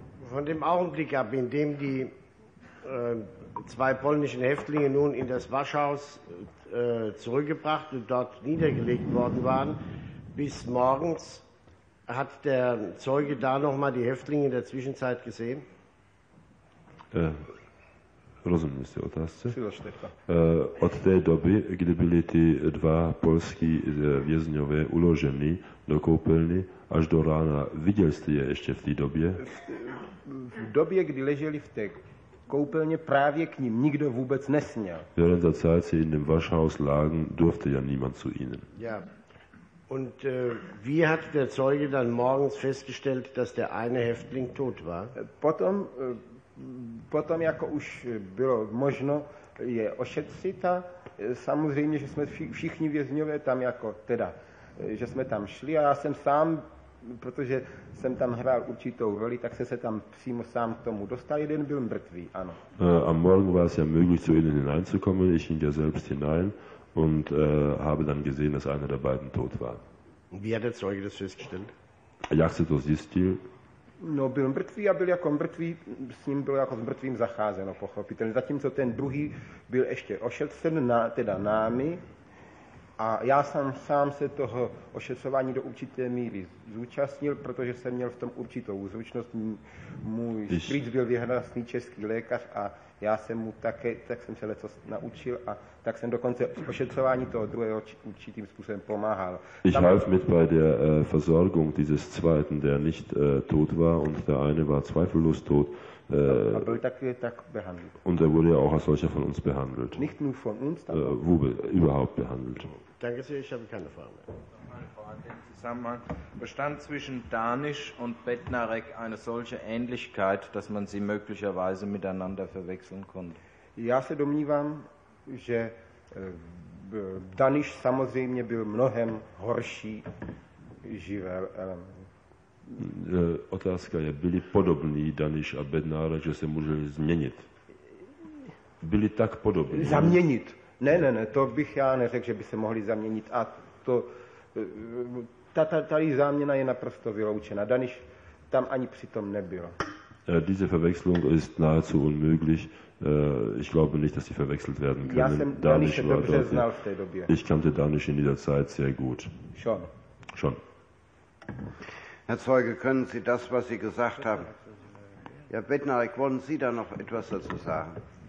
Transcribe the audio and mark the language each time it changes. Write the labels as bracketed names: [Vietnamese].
[German] Von dem Augenblick ab, in dem die zwei polnischen Häftlinge nun in das Waschhaus zurückgebracht und dort niedergelegt worden waren, bis morgens, hat der Zeuge da nochmal die Häftlinge in der Zwischenzeit gesehen? [Czech] Rozumím si otázce. Od té doby, kdy byly ty dva polský vězňové uloženy do koupelny až do rána, viděl jste je ještě v té době? V době, kdy leželi v té koupelně, právě k ním nikdo vůbec nesměl. [German] Während der Zeit, sie in dem Waschhaus lagen, durfte ja niemand zu ihnen. Ja. Und wie hat der Zeuge dann morgens festgestellt, dass der eine Häftling tot war? [Czech] Potom jako už bylo možno je ošetřit a samozřejmě, že jsme všichni vězňové tam jako teda, že jsme tam šli a já jsem sám, protože jsem tam hrál určitou roli, tak jsem se tam přímo sám k tomu dostal, jeden byl mrtvý, ano. [German] Am Morgen war es ja möglich, zu ihnen hineinzukommen, ich ging ja selbst hinein und habe dann gesehen, dass einer der beiden tot war. Wie hat der Zeuge das festgestellt? [Czech] Jak se to zjistil? No, byl mrtvý a byl jako mrtvý, s ním bylo jako s mrtvým zacházeno, pochopitelně. Zatímco ten druhý byl ještě ošetřen, teda námi, a já sám se toho ošetřování do určité míry zúčastnil, protože jsem měl v tom určitou zručnost. Můj strýc byl vyhlášený český lékař a já jsem mu také, tak jsem se leco naučil a tak jsem dokonce ošetřování toho druhého určitým způsobem pomáhal. [German] Ich half mit bei der Versorgung dieses zweiten, der nicht tot war und der eine war zweifellos tot. [Czech] A byl tak [German] behandelt. Und er wurde ja auch als solcher von uns behandelt. Nicht nur von uns, überhaupt behandelt. Danke sehr, ich habe keine Frage mehr. Den Zusammenhang. Bestand zwischen Danisch und Bednarek eine solche Ähnlichkeit, dass man sie möglicherweise miteinander verwechseln konnte? [Czech] Já se domnívám, že Danisch samozřejmě byl mnohem horší živel. Otázka je, byli podobní Danisch a Bednarek, že se museli změnit? Byli tak podobní? Zaměnit. Ne, to bych já neřekl, že by se mohli zaměnit. A to tady záměna je naprosto vyloučena. Daniš tam ani přitom nebyl. [German] Diese Verwechslung ist nahezu unmöglich. Ich glaube nicht, dass sie verwechselt werden können. [Czech] Já jsem Daniše dobře znal v té době. [German] Ich kannte Daniš in dieser Zeit sehr gut. Schon. Herr Zeuge, können Sie das, was Sie gesagt haben? Ja, Bednarek, wollen Sie da noch etwas dazu sagen?